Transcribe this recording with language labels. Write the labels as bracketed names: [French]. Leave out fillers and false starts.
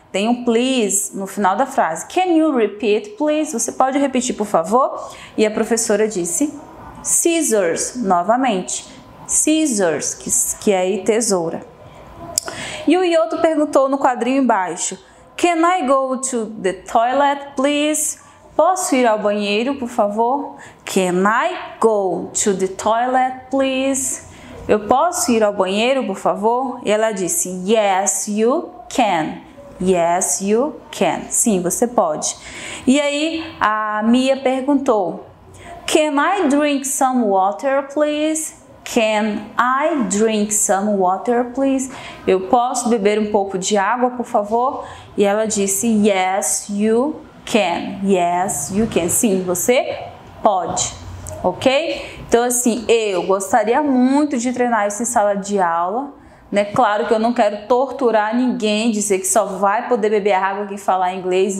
[Portuguese] Tem um please no final da frase. [English] Can you repeat, please? [Portuguese] Você pode repetir, por favor? E a professora disse scissors, novamente. Scissors, que é aí tesoura. E o Yoto perguntou no quadrinho embaixo. [English] Can I go to the toilet, please? [Portuguese] Posso ir ao banheiro, por favor? [English] Can I go to the toilet, please? [Portuguese] Eu posso ir ao banheiro, por favor? E ela disse, [English] yes, you can. Yes, you can. [Portuguese] Sim, você pode. E aí, a Mia perguntou, [English] Can I drink some water, please? Can I drink some water, please? [Portuguese] Eu posso beber um pouco de água, por favor? E ela disse, [English] yes, you can. Can, yes, you can. [Portuguese] Sim, você pode, [English] ok? [Portuguese] Então, assim, eu gostaria muito de treinar isso em sala de aula, né? Claro que eu não quero torturar ninguém, dizer que só vai poder beber água quem falar inglês.